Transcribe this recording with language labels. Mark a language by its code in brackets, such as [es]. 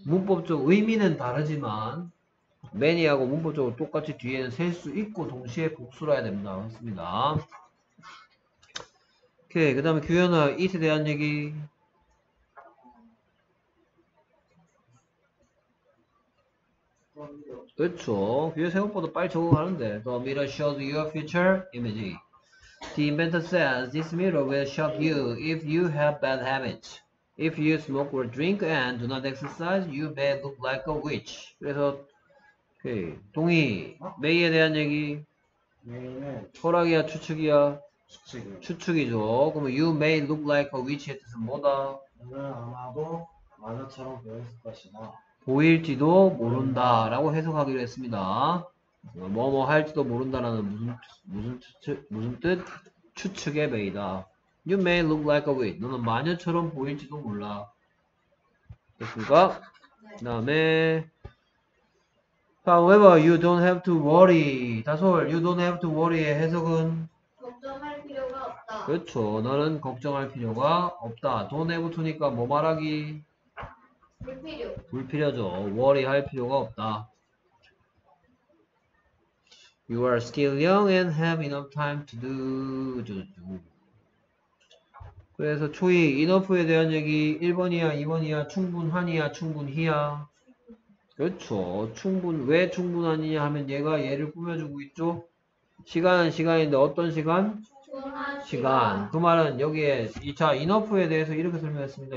[ko] 문법적 의미는 다르지만 many하고 문법적으로 똑같이 뒤에는 셀 수 있고 동시에 복수라 해야 됩니다. 맞습니다. 오케이. 그 다음에 규현아 it에 대한 얘기. 그렇죠. 규현 생각보다 빨리 적응하는데. [en] The mirror shows your future image. The inventor says this mirror will shock you if you have bad habits. If you smoke or drink and do not exercise, you may look like a witch. [ko] 그래서 오케이. 동의. 메이에 대한 얘기. 메이는 허락이야 추측이야? 추측이요. 추측이죠. 그러면 [en] you may look like a witch [ko] 의 뜻은 뭐다? 나는 아마도 마녀처럼 보였을 것이다. 보일지도 모른다 라고 해석하기로 했습니다. 뭐뭐 할지도 모른다라는 무슨 뜻? 추측의 메이다. [en] You may look like a witch. [ko] 너는 마녀처럼 보일지도 몰라. 됐습니까? 그 다음에 [en] However, you don't have to worry. [ko] 다솔, [en] you don't have to worry [ko] 의 해석은? 걱정할 필요가 없다. 그렇죠. 너는 걱정할 필요가 없다. Don't have to니까 뭐 말하기? 불필요. 불필요죠. Worry 할 필요가 없다. [en] You are still young and have enough time to do. [ko] 그래서 초이 enough에 대한 얘기 1번이야, 2번이야, 충분하니야, 충분히야. 그렇죠. 충분 왜 충분하니냐 하면 얘가 얘를 꾸며주고 있죠. 시간은 시간인데 어떤 시간? 충분한 시간. 그 말은 여기에 2차 enough에 대해서 이렇게 설명했습니다.